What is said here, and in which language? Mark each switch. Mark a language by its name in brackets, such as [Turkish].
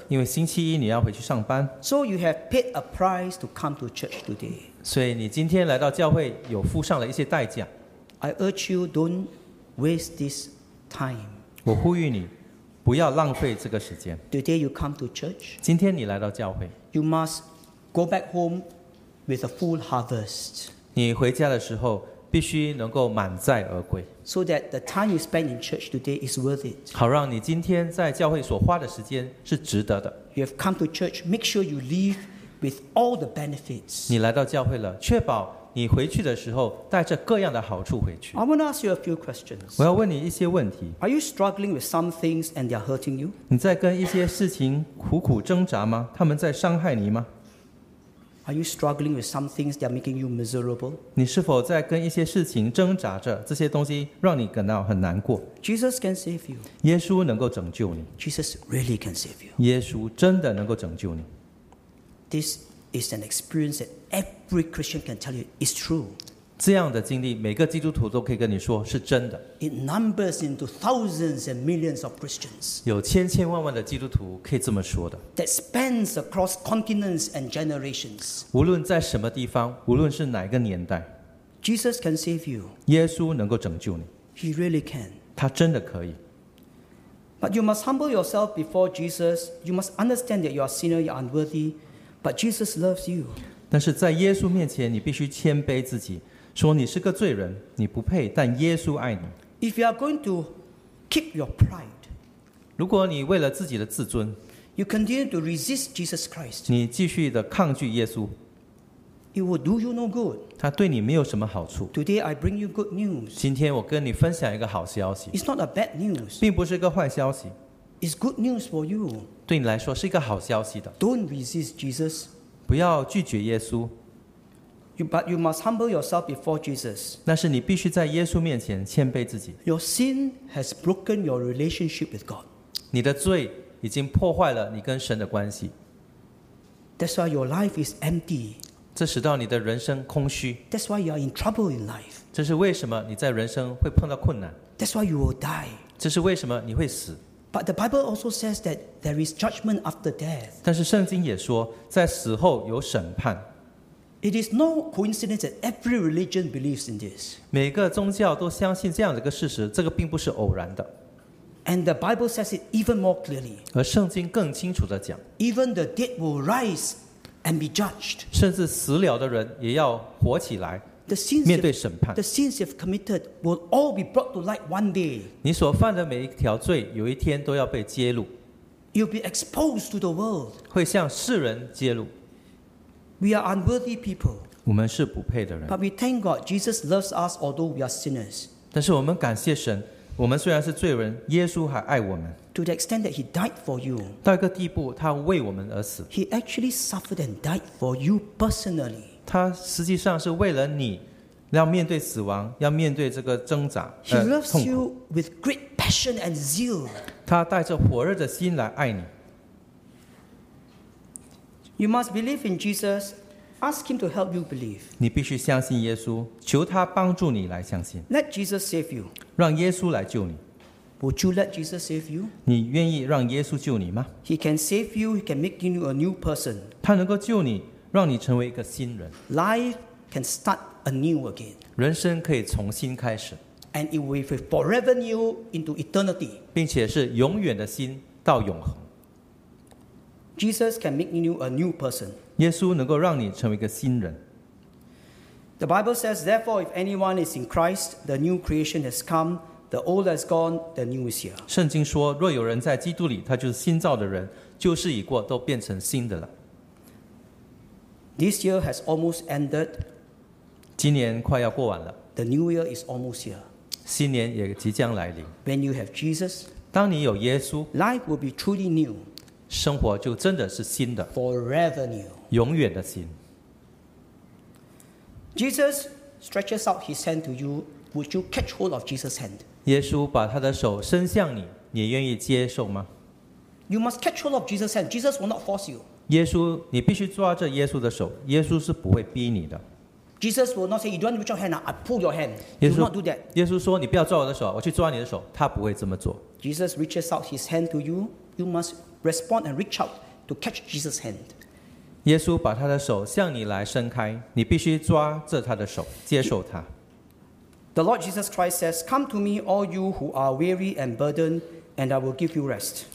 [Chinese] 因为星期一你要回去上班。 [English] So you have paid a price to come to church today. [Chinese] 所以你今天来到教会有付上了一些代价。 [English] I urge you don't waste this time. [Chinese] 我呼吁你不要浪费这个时间。 [English] Today you come to church. [Chinese] 今天你来到教会。 [English] You must go back home with a full harvest. [Chinese] 你回家的时候必须能够满载而归。 [English] So that the time you spend in church today is worth it. [Chinese] 好让你今天在教会所花的时间是值得的。 [English] You have come to church, make sure you leave with all the benefits. [Chinese] 你来到教会了，确保你回去的时候带着各样的好处回去。 [English] I want to ask you a few questions. [Chinese] 我要问你一些问题。 [English] Are you struggling with some things and they are hurting you? [Chinese] 你在跟一些事情苦苦挣扎吗？他们在伤害你吗？ [English] Are you struggling with some things that are making you miserable? [Chinese] 你是否在跟一些事情挣扎着？这些东西让你感到很难过。 [English] Jesus can save you. [Chinese] 耶稣能够拯救你。 [English] Jesus really can save you. [Chinese] 耶稣真的能够拯救你。 [English] This is an experience that every Christian can tell you is true. [Chinese] 这样的经历，每个基督徒都可以跟你说是真的。 [English] It numbers into thousands and millions of Christians. [Chinese] 有千千万万的基督徒可以这么说的。 [English] That spans across continents and generations. [Chinese] 无论在什么地方，无论是哪一个年代。 [English] Jesus can save you. [Chinese] 耶稣能够拯救你。 [English] He really can. [Chinese] 他真的可以。 [English] But you must humble yourself before Jesus. You must understand that you are a sinner, you are unworthy. But Jesus loves you. [Chinese] 但是在耶稣面前，你必须谦卑自己。说你是个罪人，你不配，但耶稣爱你。 [English] If you are going to keep your pride, [Chinese] 如果你为了自己的自尊， [English] you continue to resist Jesus Christ, [Chinese] 你继续的抗拒耶稣， [English] it will do you no good. [Chinese] 他对你没有什么好处。 [English] Today I bring you good news. [Chinese] 今天我跟你分享一个好消息。 [English] It's not a bad news. [Chinese] 并不是一个坏消息。 [English] It's good news for you. [Chinese] 对你来说是一个好消息的。 [English] Don't resist Jesus. [Chinese] 不要拒绝耶稣。 [English] But you must humble yourself before Jesus. [Chinese] 但是你必须在耶稣面前谦卑自己。 [English] Your sin has broken your relationship with God. [Chinese] 你的罪已经破坏了你跟神的关系。 [English] That's why your life is empty. [Chinese] 这使到你的人生空虚。 [English] That's why you are in trouble in life. [Chinese] 这是为什么你在人生会碰到困难。 [English] That's why you will die. [Chinese] 这是为什么你会死。 [English] But the Bible also says that there is judgment after death. [Chinese] 但是圣经也说，在死后有审判。 [English] It is no coincidence that every religion believes in this. [Chinese] 每个宗教都相信这样的一个事实，这个并不是偶然的。 [English] And the Bible says it even more clearly. [Chinese] 而圣经更清楚地讲。 [English] Even the dead will rise and be judged. [Chinese] 甚至死了的人也要活起来。面对审判 [English] the sins you've committed will all be brought to light one day. [Chinese] 你所犯的每一条罪，有一天都要被揭露。 [English] You'll be exposed to the world. [Chinese] 会向世人揭露。 [English] We are unworthy people. [Chinese] 我们是不配的人。 [English] But we thank God, Jesus loves us, although we are sinners. [Chinese] 但是我们感谢神，我们虽然是罪人，耶稣还爱我们。 [English] To the extent that He died for you. [Chinese] 到一个地步，他为我们而死。 [English] He actually suffered and died for you personally. [Chinese] 他实际上是为了你，要面对死亡，要面对这个挣扎、 [English] He loves you with great passion and zeal. [Chinese] 他带着火热的心来爱你。 [English] You must believe in Jesus. Ask Him to help you believe. [Chinese] 你必须相信耶稣，求他帮助你来相信。 [English] Let Jesus save you. [Chinese] 让耶稣来救你。 [English] Would you let Jesus save you? [Chinese] 你愿意让耶稣救你吗 [English] ？He can save you. He can make you a new person. [Chinese] 他能够救你。让你成为一个新人。 [English] Life can start anew again. [Chinese] 人生可以重新开始。 [English] And it will be forever new into eternity. [Chinese] 并且是永远的新到永恒。 [English] Jesus can make you a new person. [Chinese] 耶稣能够让你成为一个新人。 [English] The Bible says, therefore, if anyone is in Christ, the new creation has come. The old has gone. The new is here. [Chinese] 圣经说，若有人在基督里，他就是新造的人，旧事已过，都变成新的了。 [English] This year has almost ended. [Chinese] 今年快要过完了。 [English] The new year is almost here. [Chinese] 新年也即将来临。 [English] When you have Jesus, [Chinese] 当你有耶稣 [English] life will be truly new. [Chinese] 生活就真的是新的。 [English] Forever new. [Chinese] 永远的新。 [English] Jesus stretches out his hand to you. Would you catch hold of Jesus' hand? [Chinese] 耶稣把他的手伸向你，你愿意接受吗？ [English] You must catch hold of Jesus' hand. Jesus will not force you. [Chinese] 耶稣，你必须抓着耶稣的手。耶稣是不会逼你的。 [English] Jesus will not say, "You don't reach your hand. I pull your hand." You will not do that. [Chinese] 耶稣说，你不要抓我的手，我去抓你的手。他不会这么做。 [English] Jesus reaches out his hand to you. You must respond and reach out to catch Jesus' hand. [Chinese] 耶稣把他的手向你来伸开，你必须抓着他的手，接受他。 [English] The Lord Jesus Christ says, "Come to me, all you who are weary and burdened, and I will give you rest."